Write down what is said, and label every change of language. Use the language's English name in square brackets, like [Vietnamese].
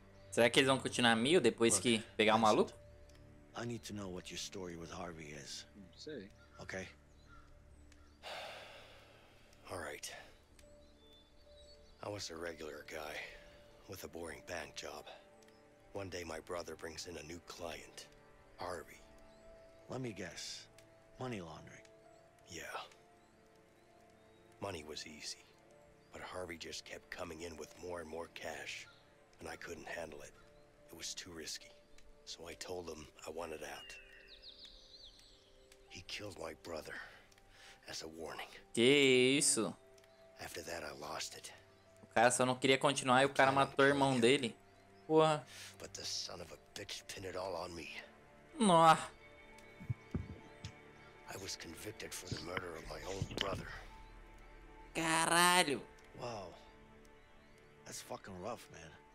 [Portuguese] Será que eles vão continuar mil depois que pegar o maluco? [English] I need to know what your story with Harvey is. [Portuguese] Sei. [English] Okay. All right. I was a regular guy with a boring bank job. One day my brother brings in a new client, Harvey. Let me guess. Money laundering. Yeah. Money was easy, but Harvey just kept coming in with more and more cash. And I couldn't handle it. It was too risky. So I told him I wanted out. He killed my brother as a warning. [Portuguese] Que isso? [English] After that I lost it. [Portuguese] O cara só não queria continuar e o cara matou o irmão dele. Porra. [English] But the son of a bitch pinned it all on me. No. I was convicted for the murder of my own brother. [Portuguese] Caralho. [English] Wow. That's fucking rough, man.